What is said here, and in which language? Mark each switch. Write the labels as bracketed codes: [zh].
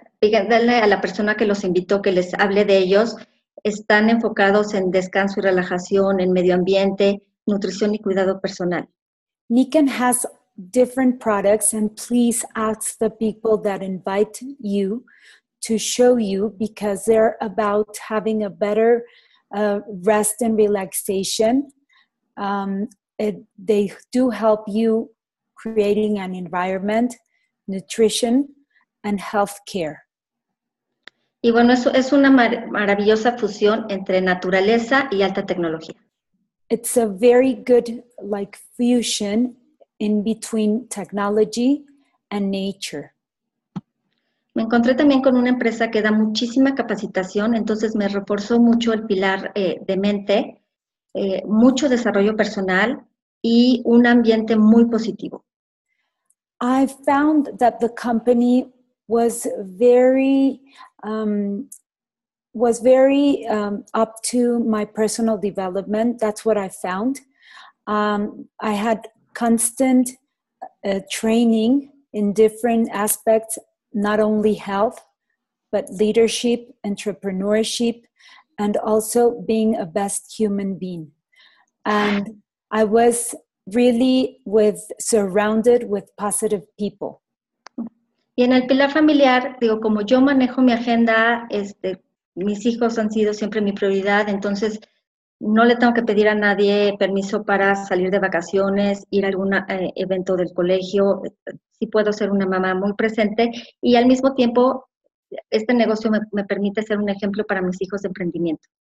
[es] Díganle a la persona que los invitó que les hable de ellos. Están enfocados en descanso y relajación, en medio ambiente, nutrición y cuidado personal. [en] Niken has different products and please ask the people that invite you to show you because they're about having a better rest and relaxation. They do help you creating an environment, nutrition, and health care. [es] Y bueno, eso es una maravillosa fusión entre naturaleza y alta tecnología. [en] It's a very good like fusion in between technology and nature. [es] Me encontré también con una empresa que da muchísima capacitación, entonces me reforzó mucho el pilar de mente, mucho desarrollo personal y un ambiente muy positivo. [en] I found that the company was very up to my personal development. That's what I found. I had constant training in different aspects, not only health, but leadership, entrepreneurship, and also being a best human being. And I was really surrounded with positive people. [es] Y en el pilar familiar, digo, como yo manejo mi agenda, mis hijos han sido siempre mi prioridad, entonces no le tengo que pedir a nadie permiso para salir de vacaciones, ir a algún evento del colegio. Sí puedo ser una mamá muy presente y al mismo tiempo este negocio me permite ser un ejemplo para mis hijos de emprendimiento.